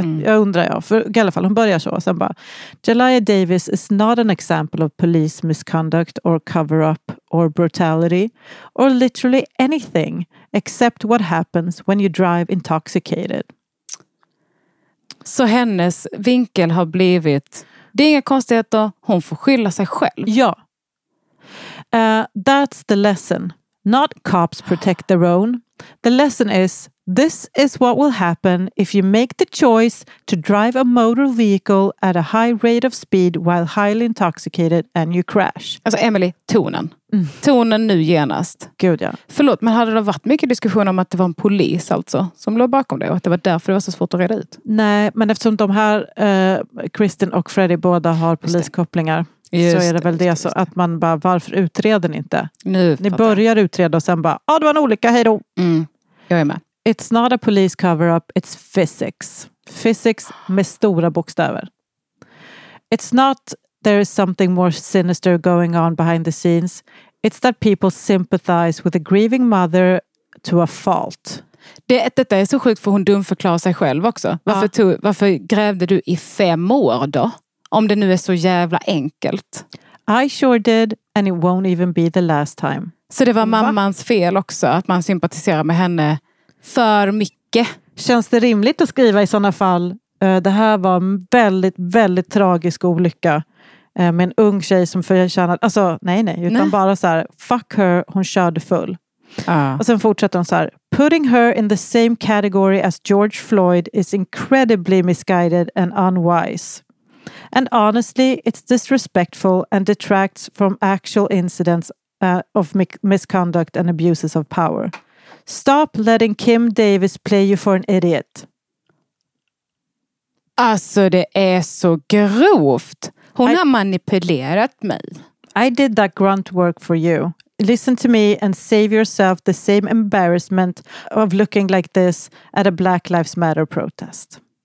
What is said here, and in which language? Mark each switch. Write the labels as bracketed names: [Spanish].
[Swedish] Jag undrar jag, för i alla fall hon börjar så och sen bara, [English] Jalaya Davis is not an example of police misconduct or cover-up or brutality or literally anything except what happens when you drive intoxicated. [Swedish] Så hennes vinkel har blivit, det är inga konstigheter, hon får skylla sig själv. [English] Ja. That's the lesson. Not cops protect their own. The lesson is, this is what will happen if you make the choice to drive a motor vehicle at a high rate of speed while highly intoxicated and you crash. [Swedish] Alltså Emily, tonen. Mm. Tonen nu genast. Gud ja. Förlåt, men hade det varit mycket diskussion om att det var en polis alltså som låg bakom det och att det var därför det var så svårt att reda ut? Nej, men eftersom de här, Kristen och Freddy båda har poliskopplingar. Just så är det väl det så att man bara, varför utreder ni inte? Nu, ni börjar utreda och sen bara, det var en olycka, hej då. Mm, jag är med. [English] It's not a police cover-up, it's physics. [Swedish] Physics med stora bokstäver. [English] It's not there is something more sinister going on behind the scenes. It's that people sympathize with a grieving mother to a fault. [Swedish] Detta är så sjukt för hon dumförklarar sig själv också. Varför grävde du i 5 år då? Om det nu är så jävla enkelt. [English] I sure did, and it won't even be the last time. [Swedish] Så det var mammans fel också, att man sympatiserar med henne för mycket. Känns det rimligt att skriva i sådana fall? Det här var en väldigt, väldigt tragisk olycka. Med en ung tjej som förtjänade, alltså nej. Bara så här, [English] fuck her, [Swedish] hon körde full. Och sen fortsätter hon så här, [English] putting her in the same category as George Floyd is incredibly misguided and unwise. And honestly, it's disrespectful and detracts from actual incidents of misconduct and abuses of power. Stop letting Kim Davis play you for an idiot. [Swedish] Alltså, det är så grovt. Hon har manipulerat mig. [English] I did that grunt work for you. Listen to me and save yourself the same embarrassment of looking like this at a Black Lives Matter protest.